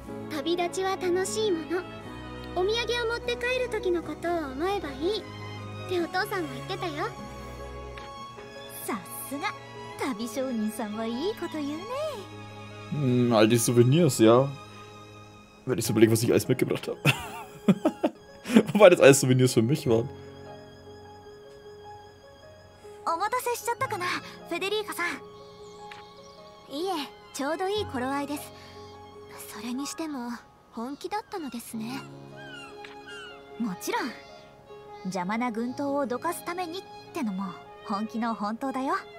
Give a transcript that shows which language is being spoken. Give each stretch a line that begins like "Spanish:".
Japanese: 旅立ちは楽しいもの。お土産を持って帰る時のことを思えばいいってお父さんが言ってたよ。さすが旅商人さんはいいこと言うね。
German: all die Souvenirs, ja. Wenn ich so überlege, was ich alles mitgebracht habe. Wobei das alles Souvenirs für mich waren.
Japanese: Omotaseしちゃったかな, Federica-san. Ie, ちょうど いい頃合いです。それにしても、本気だったのですね。もちろん、邪魔な軍刀をどかすためにってのも、本気の本当だよ。